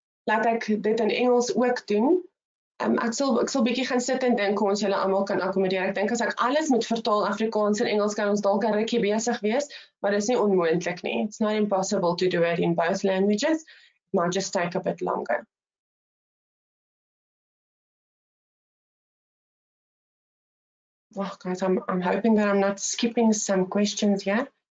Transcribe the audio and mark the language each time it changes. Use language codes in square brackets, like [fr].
[af] Laat ek dit in Engels ook doen. Ek sal bietjie gaan sit en dink hoe ons julle almal kan akkommodeer. Ek dink as ek alles moet vertaal Afrikaans en Engels kan ons dalk 'n rukkie besig wees, maar dit is nie onmoontlik nie. [en] It's not impossible to do it in both languages. It might just take a bit longer. Oh, guys, I'm hoping that I'm not skipping some questions yet.